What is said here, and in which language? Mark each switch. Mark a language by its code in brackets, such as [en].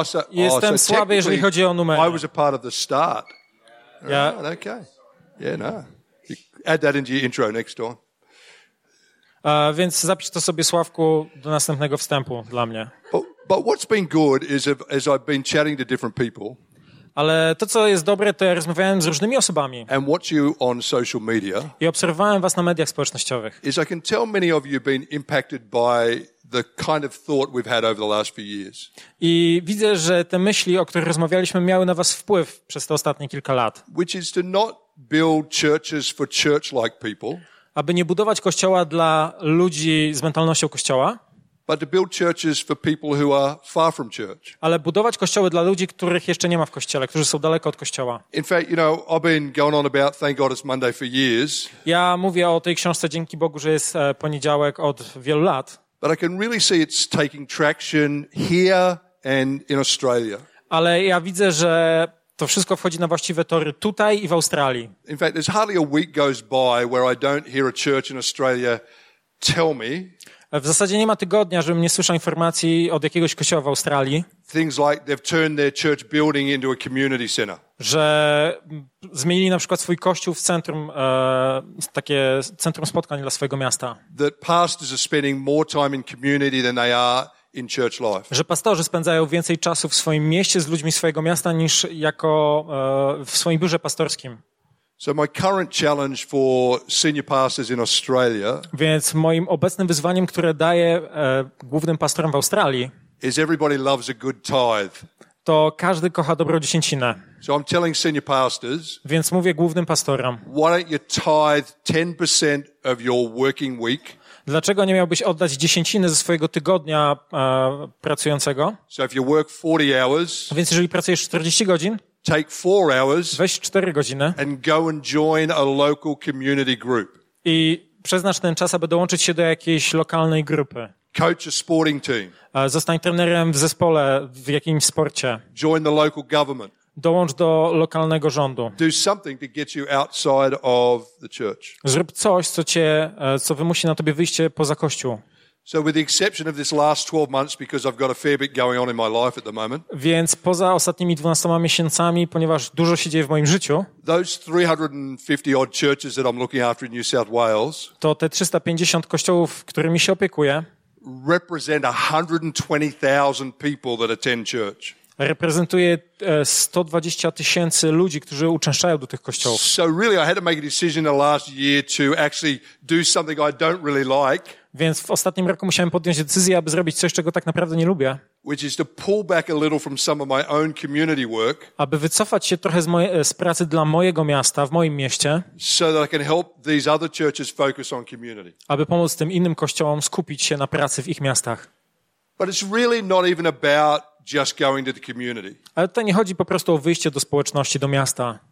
[pl] Jestem słaby, jeżeli chodzi o numery. [en] I was a part of the start. Yeah. Right, okay. Yeah, no. You add that into your intro next time. [pl] Więc zapisz to sobie, Sławku, do następnego wstępu dla mnie. [en] But what's been good is as I've been chatting to different people. [pl] Ale to, co jest dobre, to ja rozmawiałem z różnymi osobami. [en] And watch you on social media. [pl] I obserwowałem was na mediach społecznościowych. [en] Is I can tell many of you have been impacted by the kind of thought we've had over the last few years. [pl] I widzę, że te myśli, o których rozmawialiśmy, miały na was wpływ przez te ostatnie kilka lat. [en] Which is to not build churches for church-like people. [pl] Aby nie budować kościoła dla ludzi z mentalnością kościoła. [en] But to build churches for people who are far from church. [pl] Ale budować kościoły dla ludzi, których jeszcze nie ma w kościele, którzy są daleko od kościoła. [en] In fact, you know, I've been going on about thank God it's Monday for years. [pl] Ja mówię o tej książce dzięki Bogu, że jest poniedziałek od wielu lat. [en] But I can really see it's taking traction here and in Australia. [pl] Ale ja widzę, że to wszystko wchodzi na właściwe tory tutaj i w Australii. [en] In fact, there's hardly a week goes by where I don't hear a church in Australia tell me. [pl] W zasadzie nie ma tygodnia, żebym nie słyszał informacji od jakiegoś kościoła w Australii. [en] Things like they've turned their church building into a community center. [pl] Że zmienili na przykład swój kościół w centrum, takie centrum spotkań dla swojego miasta. [en] That pastors are spending more time in community than they are in church life. [pl] Że pastorzy spędzają więcej czasu w swoim mieście z ludźmi swojego miasta niż jako w swoim biurze pastorskim. [en] So my current challenge for senior pastors in Australia. [pl] Więc moim obecnym wyzwaniem, które daję głównym pastorom w Australii, [en] is everybody loves a good tithe. [pl] To każdy kocha dobrą dziesięcinę. [en] So I'm telling senior pastors. [pl] Więc mówię głównym pastorom. [en] Why don't you tithe 10% of your working week? [pl] Dlaczego nie miałbyś oddać dziesięciny ze swojego tygodnia pracującego? [en] So if you work 40 hours. [pl] Więc jeżeli pracujesz 40 godzin. [en] Take 4 hours. [pl] Weź 4 godziny. [en] And go and join a local community group. [pl] I przeznacz ten czas, aby dołączyć się do jakiejś lokalnej grupy. [en] Coach a sporting team. [pl] Zostań trenerem w zespole w jakimś sporcie. [en] Join the local government. [pl] Dołącz do lokalnego rządu. [en] Do something to get you outside of the church. [pl] Zrób coś, co wymusi na tobie wyjście poza kościół. [en] So with the exception of this last 12 months because I've got a fair bit going on in my life at the moment. [pl] Więc poza ostatnimi 12 miesiącami, ponieważ dużo się dzieje w moim życiu. [en] Those 350 odd churches that I'm looking after in New South Wales. [pl] To te 350 kościołów, którymi się opiekuję. [en] Represent 120,000 people that attend church. [pl] Reprezentuje 120 tysięcy ludzi, którzy uczęszczają do tych kościołów. [en] So really I had to make a decision in the last year to actually do something I don't really like. [pl] Więc w ostatnim roku musiałem podjąć decyzję, aby zrobić coś, czego tak naprawdę nie lubię. [en] Which is to pull back a little from some of my own community work. [pl] Aby wycofać się trochę z pracy dla mojego miasta, w moim mieście. [en] So that I can help these other churches focus on community. [pl] Aby pomóc tym innym kościołom skupić się na pracy w ich miastach. [en] But it's really not even about just going to the community. [pl] Ale to nie chodzi po prostu o wyjście do społeczności, do miasta.